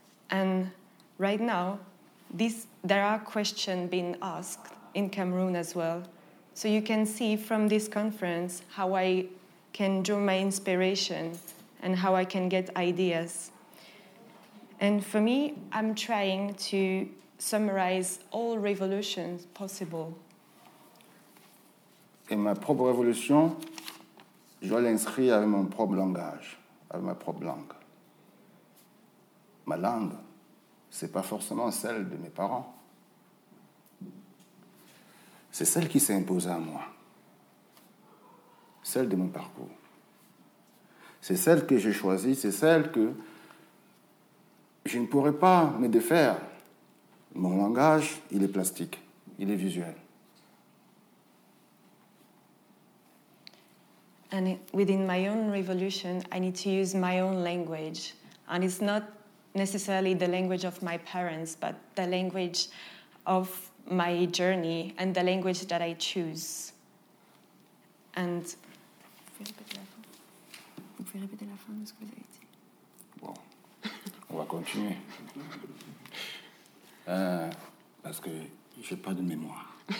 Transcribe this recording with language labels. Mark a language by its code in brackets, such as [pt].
[en] And right now, there are questions being asked in Cameroon as well. So you can see from this conference how I can draw my inspiration and how I can get ideas. And for me, I'm trying to summarize all revolutions possible. [fr] Et ma propre révolution, je dois l'inscrire avec mon propre langage, avec ma propre langue. Ma langue, c'est pas forcément celle de mes parents. C'est celle qui s'est imposée à moi. Celle de mon parcours. C'est celle que j'ai choisie, c'est celle que je ne pourrais pas me défaire. Mon langage, il est plastique, il est visuel. [en] And within my own revolution, I need to use my own language. And it's not necessarily the language of my parents, but the language of my journey and the language that I choose. And... [fr] Vous pouvez répéter la fin de ce que vous avez dit. Bon, on va continuer. Parce que je n'ai pas de mémoire.